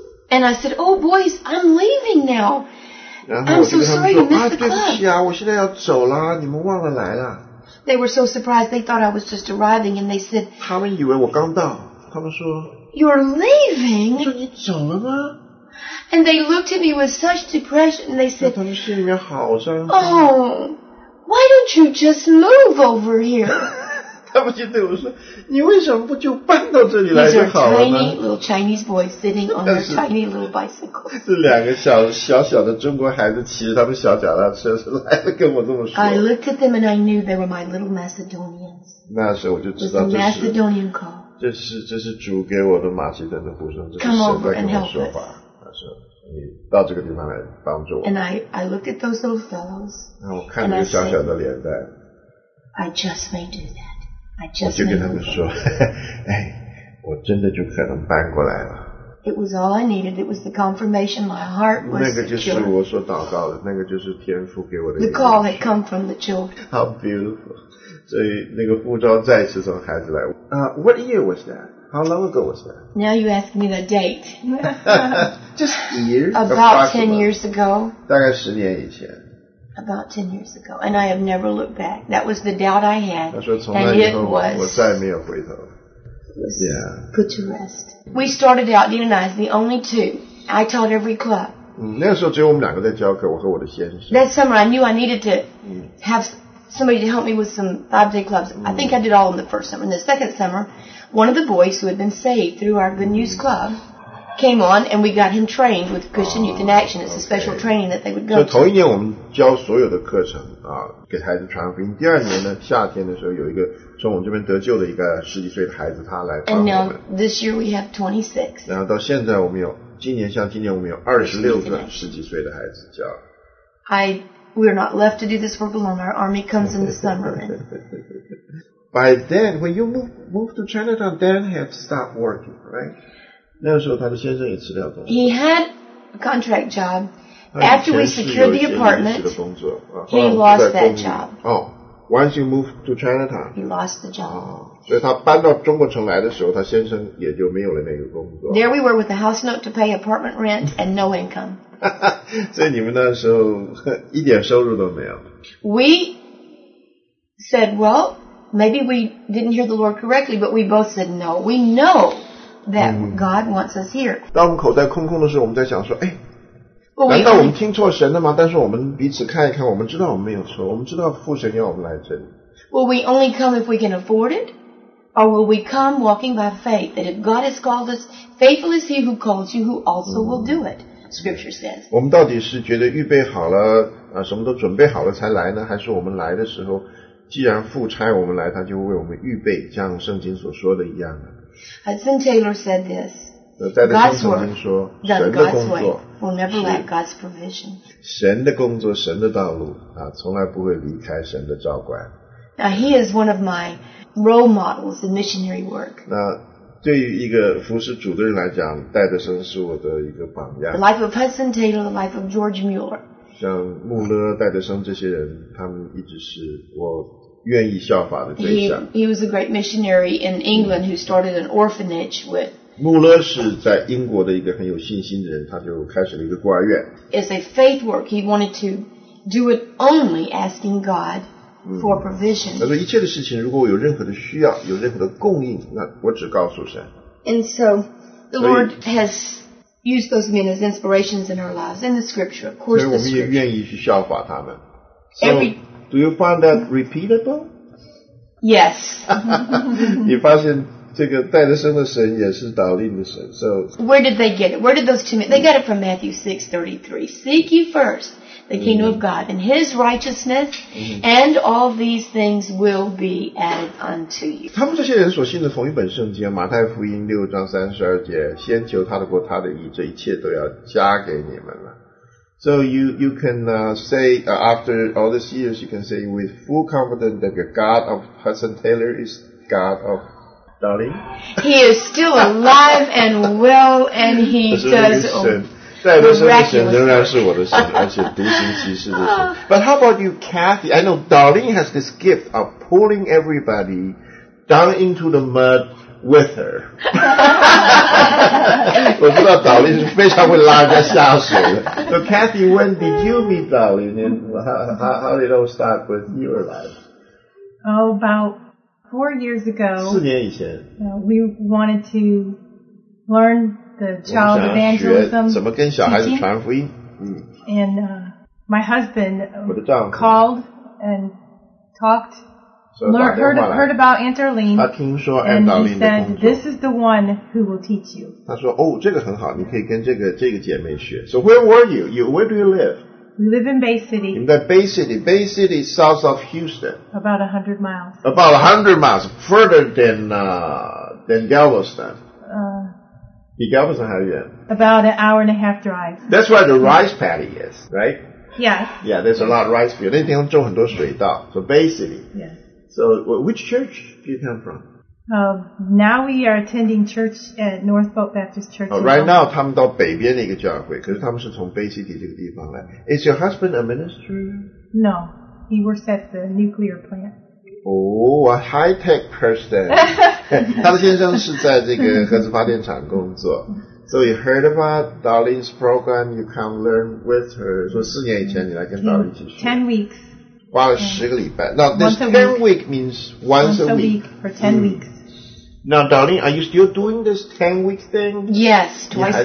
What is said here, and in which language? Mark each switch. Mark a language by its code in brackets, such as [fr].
[en] And I said, "Oh, boys, I'm leaving now." [zh] 然后我就跟他们说、啊、对不起啊我现在要走了你们忘了来了 [en] They were so surprised they thought I was just arriving and they said [zh] 他们以为我刚到他们说 [en] You're leaving [zh] 我说你走了吗 [en] And they looked at me with such depression and they said [zh] 他们心里面好伤心 [en] Oh why don't you just move over here [zh] 他们就对我说你为什么不就搬到这里来就好了呢 [en] These are tiny little Chinese boys sitting on their tiny little bicycle. [zh] 是两个小小小的中国孩子骑着他们小脚踏车来了跟我这么说。 [en] I looked at them and I knew they were my little Macedonians. [zh] 那时候我就知道这是 [en] Macedonian call. [zh] 这是主给我的马其顿的呼声，这是神在跟我说话。他说你到这个地方来帮助我。 [en] And I looked at those little fellows. [zh] 那我看着小小的脸蛋。 [en] I just may do that. [zh] 我就跟他们说，哎，我真的就可能搬过来了。 [en] It was all I needed. It was the confirmation my heart was. [zh] 那个就是我所祷告的，那个就是天父给我的。 [en] The call had come from the children. How beautiful! [zh] 所以那个呼召再次从孩子来。 [en] What year was that? How long ago was that? Now you ask me the date. Just years. About 10 years ago. [zh] 大概十年以前。 [en] About 10 years ago, and I have never looked back. That was the doubt I had, and it was. [zh] 我再也没有回头。 [en] Yeah. Put to rest. We started out, Dean and I, as the only two. I taught every club. [zh] 那个时候只有我们两个在教课，我和我的先生。 [en] That summer, I knew I needed to have somebody to help me with some 5-day clubs. I think I did all in the first summer. In the second summer, one of the boys who had been saved through our Good News Club. Came on and we got him trained with Christian Youth in Action. It's a special training that they would go to. [zh] 所以头一年我们教所有的课程啊，给孩子传福音。第二年呢，夏天的时候有一个从我们这边得救的一个十几岁的孩子，他来帮我们。 [en] And now this year we have 26. [zh] 然后到现在我们有今年像今年我们有26个十几岁的孩子教。 [en] We're not left to do this work alone. Our army comes in the summer. By then, when you move to Chinatown, Dan had stopped working, right? [zh] 那个时候他的先生也辞掉工作。 [en] He had a contract job. After we secured the apartment, he lost that job. Oh, once you moved to Chinatown, he lost the job. [zh] 所以他搬到中国城来的时候，他先生也就没有了那个工作。 [en] There we were with a house note to pay apartment rent and no income. [zh] 所以你们那时候一点收入都没有。 [en] We said, well, maybe we didn't hear the Lord correctly, but we both said no. We know. That God wants us here. [zh] 当我们口袋空空的时候，我们在想说，哎，难道我们听错神了吗？但是我们彼此看一看，我们知道我们没有错，我们知道父神要我们来这里。 [en] Will we only come if we can afford it, or will we come walking by faith that if God has called us, faithful is He who calls you, who also will do it? Scripture says. [zh] 我们到底是觉得预备好了啊，什么都准备好了才来呢？还是我们来的时候，既然父差我们来，他就为我们预备，像圣经所说的一样呢？ [en] Hudson Taylor said this. God's work, done God's way, will never lack God's provision. [zh] 神的工作，神的道路啊，从来不会离开神的照管。 [en] Now he is one of my role models in missionary work. [zh] 那对于一个服侍主的人来讲，戴德生是我的一个榜样。 [en] The life of Hudson Taylor, the life of George Mueller. [zh] 像穆勒、戴德生这些人，他们一直是我愿意效法的对象。 [en] He was a great missionary in England who started an orphanage with. [zh] 穆勒是在英国的一个很有信心的人，他就开始了一个孤儿院。 [en] It's a faith work. He wanted to do it only asking God for provision. [zh] 他说一切的事情，如果我有任何的需要，有任何的供应，那我只告诉神。 [en] And so the Lord has. Use those men as inspirations in our lives, in the scripture, of course. [zh] 所以我们也愿意去效法他们。 [en] So, do you find that repeatable? Yes. [zh] 你发现这个戴德生的神也是祷令的神。 [en] So, where did they get it? Where did those two men? They got it from Matthew 6:33. Seek ye first the kingdom of God and His righteousness, and all these things will be added unto you. [zh] 他们这些人所信的同一本圣经，马太福音六章三十二节，先求他的国，他的义，这一切都要加给你们了。 [en] So you can say after all these years, you can say with full confidence that the God of Hudson Taylor is God of. Darling, he is still alive and well, and he does. [zh] 戴德生的神仍然是我的神，而且独行其事的神。 [en] But how about you, Kathy? I know Darling has this gift of pulling everybody down into the mud with her. [zh] 我知道 Darling 是非常会拉人家下水的。 [en] So Kathy, when did you meet Darling, and how did it all start with your life? About 4 years ago, [zh] 4年以前, [en] we wanted to learn the child evangelism, [zh] 怎么跟小孩子传福音。 [en] And my husband [zh] 我的丈夫, [en] called and talked, heard about Aunt Arlene, [zh] 他听说 Aunt Arlene 的工作, [en] and he said, this is the one who will teach you. [zh] 他说, oh, 这个很好, 你可以跟这个姐妹学。 [en] So where were you? Where do you live? We live in Bay City. In that Bay City. Bay City is south of Houston. About 100 miles. About 100 miles further than Galveston. Galveston, how far? About an hour and a half drive. That's where the rice paddy is, right? Yes. Yeah, there's a lot of rice field. [zh] 那地方种很多水稻. [en] So Bay City. Yes. So which church do you come from? Now we are attending church at North Boat Baptist Church. Oh, right now, [zh] 他们到北边的一个教会，可是他们是从 Bay City 这个地方来。 [en] Is your husband a minister? No, he works at the nuclear plant. Oh, a high-tech person. [zh] 他的先生是在这个核子发电厂工作。 [en] So you heard about Darlene's program, you come learn with her. [zh] 说四年以前你来跟 Darlene 一起学。 [en] 10 weeks. [zh] 花了十个礼拜。 [en] Now, this 10 week means once a week. For 10 weeks. Now, Darlene, are you still doing this 10 week thing? Yes, twice a year.